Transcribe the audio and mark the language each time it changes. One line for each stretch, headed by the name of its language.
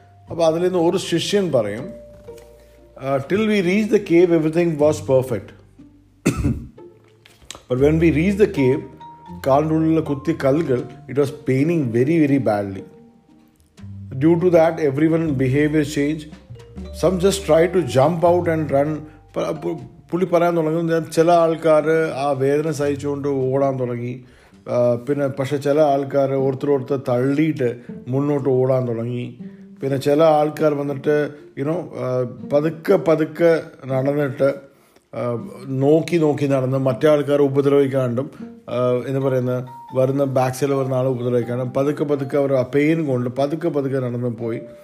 English: അപ്പോൾ അതിൽ നിന്ന് ഒരു ശിഷ്യൻ പറയും, till we reach the cave everything was perfect, but when we reach the cave കാലിൻ്റെ ഉള്ളിലെ കുത്തിയ കല്ലുകൾ it was paining very very badly. Due to that, everyone behavior change. Some just try to jump out and run.
Malayalam: പുള്ളി പറയാൻ തുടങ്ങുന്നു, ചില ആൾക്കാർ ആ വേദന സഹിച്ചുകൊണ്ട് ഓടാൻ തുടങ്ങി. പിന്നെ പക്ഷെ ചില ആൾക്കാർ ഓർത്തരോർത്ത് തള്ളിയിട്ട് മുന്നോട്ട് ഓടാൻ തുടങ്ങി. പിന്നെ ചില ആൾക്കാർ വന്നിട്ട് യുനോ പതുക്കെ പതുക്കെ നടന്നിട്ട് നോക്കി നോക്കി നടന്ന് മറ്റേ ആൾക്കാരെ ഉപദ്രവിക്കാണ്ടും എന്ന് പറയുന്ന വരുന്ന ബാക്ക് സൈഡിൽ വരുന്ന ആളെ ഉപദ്രവിക്കാണ്ടും പതുക്കെ പതുക്കെ അവർ ആ പെയിൻ കൊണ്ട് പതുക്കെ പതുക്കെ നടന്നു പോയി.